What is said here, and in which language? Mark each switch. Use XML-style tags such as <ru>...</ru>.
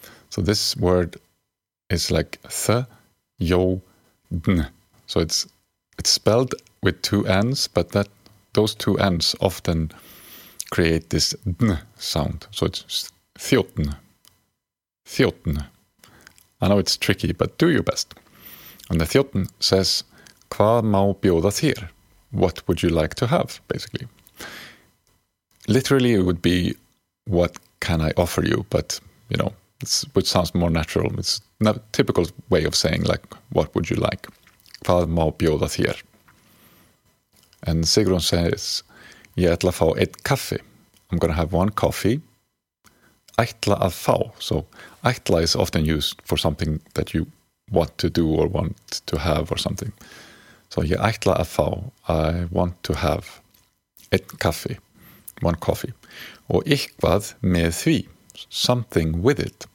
<en>So this word is like thjótn. So it's spelled with two N's, but that those two N's often create this dn sound. So it's thjótn, thjótn. I know it's tricky, but do your best. And the thjótn says,</en> <is>hvað má bjóða þér?</is> <en>What would you like to have, basically? Literally, it would be, what can I offer you? But, you know, it sounds more natural. It's not a typical way of saying, like, what would you like?</en> <is>Hvað má bjóða þér?</is> <en>And Sigrun says,</en> <is>ég ætla að fá eitt kaffi.</is> <en>I'm going to have one coffee.</en> <is>Ætla að fá.</is> <en>So, ætla is often used for something that you want to do or want to have or something. So,</en> <is>ég ætla að fá.</is> <en>I want to have</en> <is>eitt kaffi.</is> <en>One coffee.</en> <is>Og eitthvað með því.</is> <en>Something with it.</en>